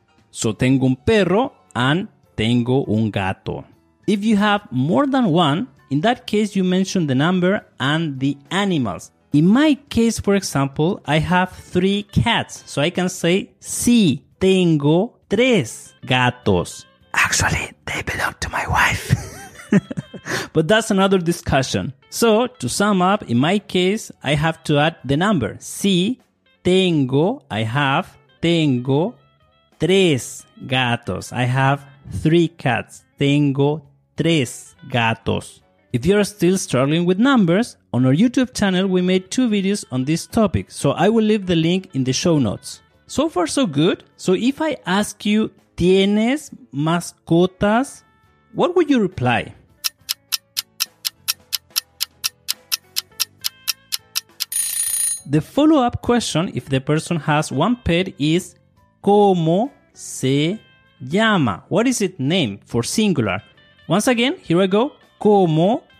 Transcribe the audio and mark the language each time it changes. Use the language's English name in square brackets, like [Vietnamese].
[English] So, [Spanish] tengo un perro [English] and [Spanish] tengo un gato. [English] If you have more than one, in that case, you mention the number and the animals. In my case, for example, I have three cats. So, I can say, [Spanish] sí, tengo tres gatos. [English] Actually, they belong to my wife. But that's another discussion. So, to sum up, in my case, I have to add the number. [Spanish] Sí, tengo, [English] I have, [Spanish] tengo, tres gatos. [English] I have three cats. [Spanish] Tengo tres gatos. [English] If you're still struggling with numbers, on our YouTube channel we made two videos on this topic, so I will leave the link in the show notes. So far so good. So if I ask you, [Spanish] ¿tienes mascotas? [English] What would you reply? The follow-up question, if the person has one pet, is [Spanish] ¿cómo se llama? [English] What is its name for singular? Once again, here I go. [Spanish] ¿Cómo